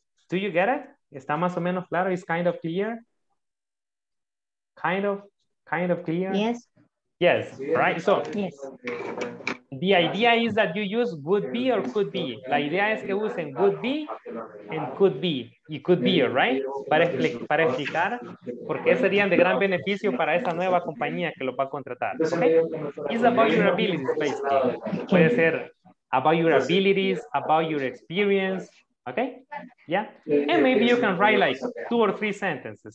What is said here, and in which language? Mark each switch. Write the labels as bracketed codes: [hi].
[en] Do you get it? [es] Está más o menos claro? [en] It's kind of clear? Kind of clear? Yes. Yes, right? So, yes. The idea is that you use would be or could be. [es] La idea es que usen [en] would be and could be. Y could be, right? [es] Para explicar por qué serían de gran beneficio para esa nueva compañía que lo va a contratar. [en] Okay? It's about your abilities, basically. [es] Puede ser [en] about your abilities, about your experience. Okay? Yeah? And maybe you can write like two or three sentences.